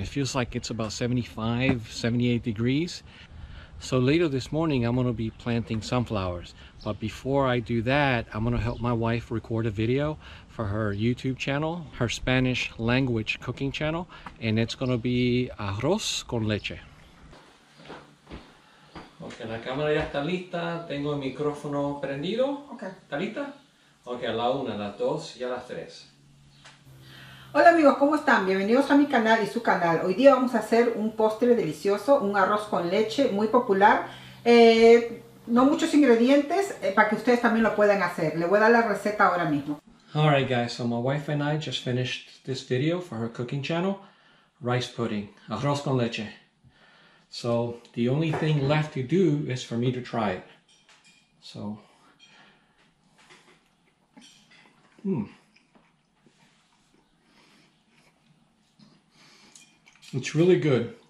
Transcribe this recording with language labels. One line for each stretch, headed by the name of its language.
English: It feels like it's about 75, 78 degrees. So later this morning, I'm gonna be planting sunflowers. But before I do that, I'm gonna help my wife record a video for her YouTube channel, her Spanish language cooking channel, and it's gonna be arroz con leche.
Spanish: Okay, la cámara ya está lista. Tengo el micrófono prendido. Okay. ¿Está lista? Okay, a la una, a las dos y a las tres. Hola amigos, ¿cómo están? Bienvenidos a mi canal y su canal. Hoy día vamos a hacer un postre delicioso, un arroz con leche muy popular. No muchos ingredientes para que ustedes también lo puedan hacer. Le voy a dar la receta ahora mismo.
English: All right, guys, so my wife and I just finished this video for her cooking channel, rice pudding, arroz con leche. So the only thing left to do is for me to try it. So, it's really good.